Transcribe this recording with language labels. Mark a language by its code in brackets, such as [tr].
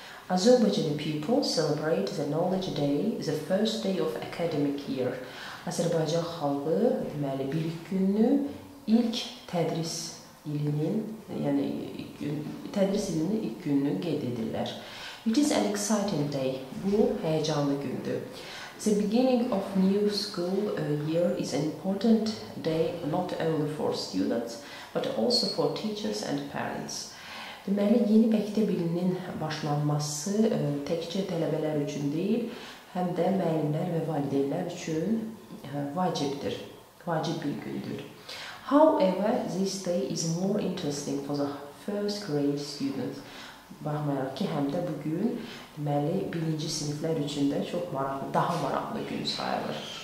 [en] Azerbaijani people celebrate the Knowledge Day, the first day of academic year. [az] Azərbaycan xalqı, deməli, bilik gününü ilk tədris ilinin, yəni tədris ilinin ilk gününü qeyd edirlər. [en] It is an exciting day. [az] Bu, həyəcanlı gündür. [en] The beginning of new school year is an important day not only for students, but also for teachers and parents. [az] Deməli, yeni məktəb ilinin başlanması təkcə tələbələr üçün deyil, həm də müəllimlər və valideynlər üçün vacibdir, vacib bir gündür. [en] However, this day is more interesting for the first grade students. [az] Baxmayaraq ki, həm də bugün, deməli, birinci siniflər üçün də çox maraqlı, daha maraqlı gün sayılır.